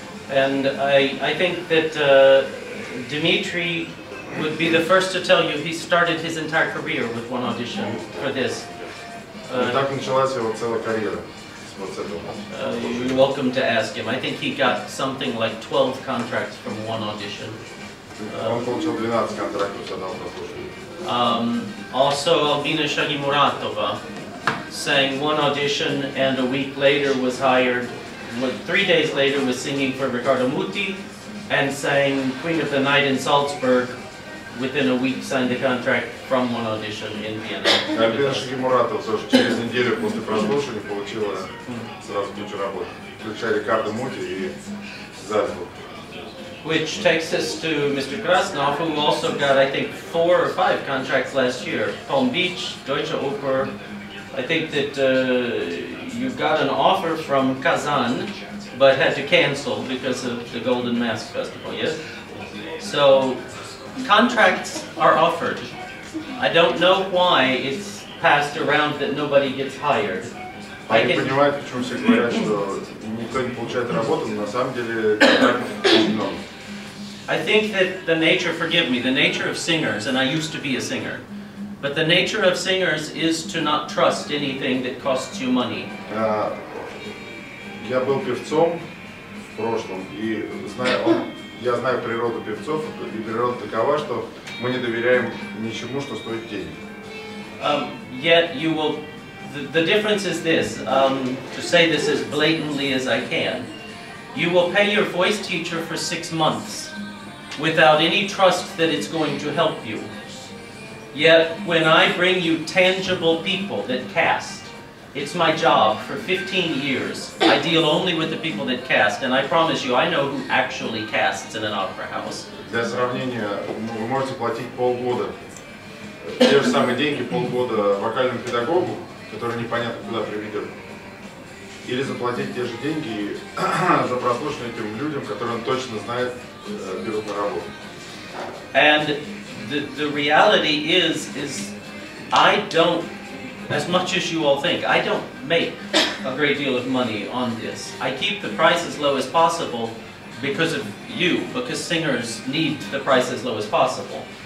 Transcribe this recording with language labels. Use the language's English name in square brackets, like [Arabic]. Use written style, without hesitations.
[English] And I think that Dmitry would be the first to tell you he started his entire career with one audition for this. [Russian] Так началась его целая карьера. [English] You're welcome to ask him. I think he got something like 12 contracts from one audition. [Russian] Он получил 12 контрактов с одного прослушивания. [English] Also, Albina Shagimuratova sang one audition and a week later was hired, 3 days later was singing for Ricardo Muti and sang Queen of the Night in Salzburg, within a week signed the contract from one audition in Vienna. [Russian] Albina Shagimuratova, so через неделю после прослушивания получила сразу кучу работ, включая Ricardo Muti и Salzburg. [English] Which takes us to Mr. Krasnov, who also got, I think, 4 or 5 contracts last year. Palm Beach, Deutsche Oper. I think that you got an offer from Kazan, but had to cancel because of the Golden Mask Festival, yes? So, contracts are offered. I don't know why it's passed around that nobody gets hired. [Russian] Они понимают, почему все говорят, что никто не получает работу, но на самом деле контрактов очень много. [English] I think that the nature, forgive me, the nature of singers, and I used to be a singer, but the nature of singers is to not trust anything that costs you money. [Russian] Я был певцом в прошлом, и я знаю природу певцов, и природа такова, что мы не доверяем ничему, что стоит денег. [English] Yet you will, the difference is this, to say this as blatantly as I can, you will pay your voice teacher for 6 months, without any trust that it's going to help you. Yet, when I bring you tangible people that cast, it's my job for 15 years. I deal only with the people that cast, and I promise you, I know who actually casts in an opera house. [Russian] Для сравнения, вы можете платить полгода, те же самые деньги, полгода вокальному педагогу, который непонятно куда приведет, или заплатить те же деньги за прослушивание этим людям, которые он точно знает, берут на работу. [English] And the reality is I don't, as much as you all think, I don't make a great deal of money on this. I keep the price as low as possible because of you, because singers need the price as low as possible.